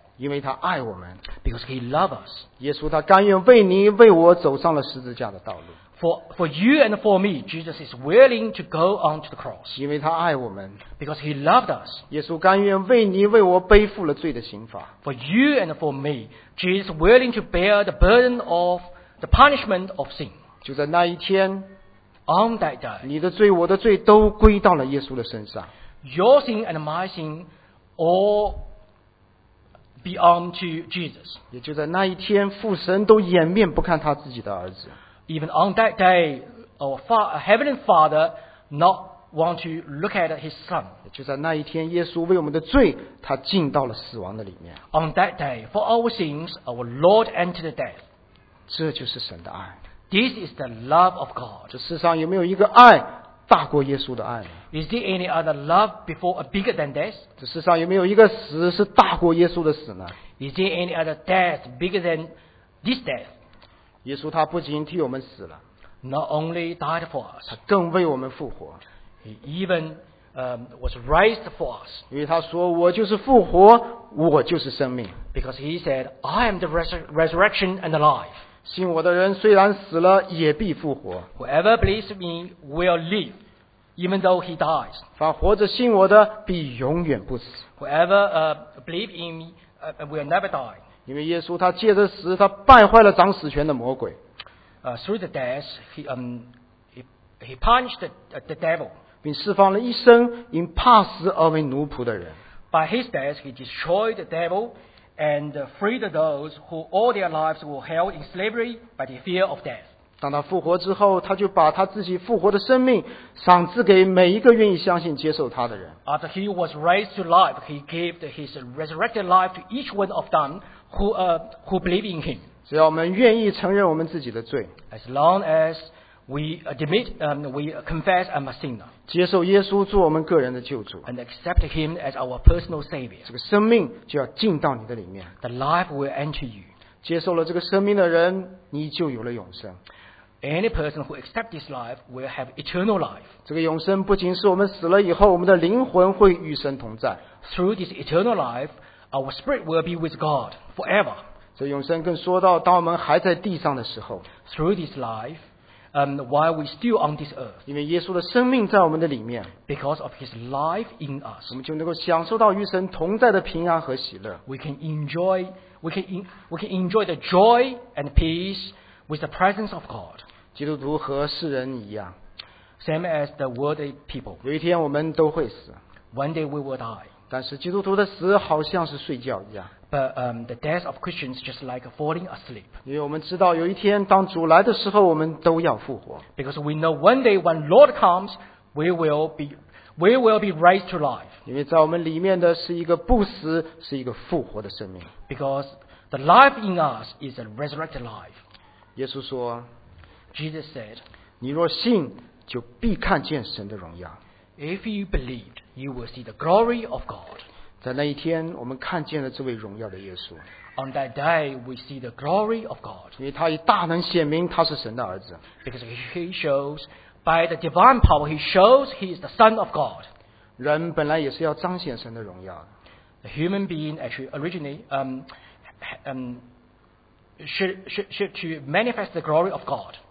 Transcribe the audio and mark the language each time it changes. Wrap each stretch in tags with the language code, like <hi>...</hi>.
<zh>因为他爱我们</zh> <en>，because he loves us。</en> <zh>耶稣他甘愿为你为我走上了十字架的道路。</zh> <en>For you and for me, Jesus is willing to go on to the cross。</en> <zh>因为他爱我们</zh> <en>，because he loved us。</en> <zh>耶稣甘愿为你为我背负了罪的刑罚。</zh> <en>For you and for me, Jesus is willing to bear the burden of the punishment of sin。</en> <zh>就在那一天</zh> <en>，on that day，</en> <zh>你的罪我的罪都归到了耶稣的身上。</zh> <en>Your sin and my sin, all belong to Jesus.</en> <zh>也就在那一天，父神都掩面不看他自己的儿子。</zh> <en>Even on that day, our heavenly Father not want to look at his son.</en> <zh>也就在那一天，耶稣为我们的罪，他进到了死亡的里面。</zh> <en>On that day, for our sins, our Lord entered death.</en> <zh>这就是神的爱。</zh> <en>This is the love of God.</en> <zh>这世上有没有一个爱大过耶稣的爱？</zh> <en>Is there any other love before a bigger than this?</en> <zh>这世上有没有一个死是大过耶稣的死呢？</zh> <en>Is there any other death bigger than this death?</en> <zh>耶稣他不仅替我们死了，</zh> <en>Not only died for us,</en> <zh>他更为我们复活。</zh> <en>He evenwas raised for us.</en> <zh>因为他说我就是复活，我就是生命。</zh> <en>Because he said, I am the resurrection and the life.</en> <zh>信我的人虽然死了也必复活。</zh> <en>Whoever believes me will live, even though he dies.</en> <zh>凡活着信我的必永远不死。</zh> <en>Whoever believes in me will never die.</en> <zh>因为耶稣他借着死他败坏了掌死权的魔鬼。</zh> <en>Through the death, he punished the devil.</en> <zh>并释放了一生因怕死而为奴仆的人。</zh> <en>By his death, he destroyed the devil and freed those who all their lives were held in slavery by the fear of death.</en> <zh>当他复活之后，他就把他自己复活的生命赏赐给每一个愿意相信接受他的人。</zh> <en>After he was raised to life, he gave his resurrected life to each one of them who believe in him.</en> <zh>只要我们愿意承认我们自己的罪。</zh> <en>As long as we admit, we confess I'm a sinner.</en> <zh>接受耶稣做我们个人的救主，</zh> <en>and accept him as our personal savior.</en> <zh>这个生命就要进到你的里面。</zh> <en>The life will enter you.</en> <zh>接受了这个生命的人，你就有了永生。</zh> <en>Any person who accepts this life will have eternal life.</en> <zh>这个永生不仅是我们死了以后，我们的灵魂会与神同在。</zh> <en>Through this eternal life, our spirit will be with God forever.</en> <zh>这永生更说到，当我们还在地上的时候。</zh> <en>Through this life. While we still on this earth,</en> <zh>因为耶稣的生命在我们的里面，</zh> <en>because of His life in us,</en> <zh>我们就能够享受到与神同在的平安和喜乐。</zh> <en>We can enjoy the joy and peace with the presence of God.</en> <zh>基督徒和世人一样，</zh> <en>same as the worldly people.</en> <zh>有一天我们都会死，</zh> <en>one day we will die.</en> <zh>但是基督徒的死好像是睡觉一样。</zh> <en>But the death of Christians is just like falling asleep.</en> <zh>因为我们知道有一天当主来的时候我们都要复活。</zh> <en>Because we know one day when Lord comes, we will be raised to life.</en> <zh>因为在我们里面的是一个不死，是一个复活的生命。</zh> <en>Because the life in us is a resurrected life.</en> <zh>耶稣说，</zh> <en>Jesus said,</en> <zh>你若信，就必看见神的荣耀。</zh> <en>If you believe, you will see the glory of God.</en> <zh>在那一天我们看见了这位荣耀的耶稣。</zh> <en>On that day we see the glory of God.</en> <zh>因为他以大能显明他是神的儿子。</zh> <en>Because he shows by the divine power he shows he is the son of God.</en> <zh>人本来也是要彰显神的荣耀。</zh> <en>The human being actually originally should to manifest the glory of God.</en>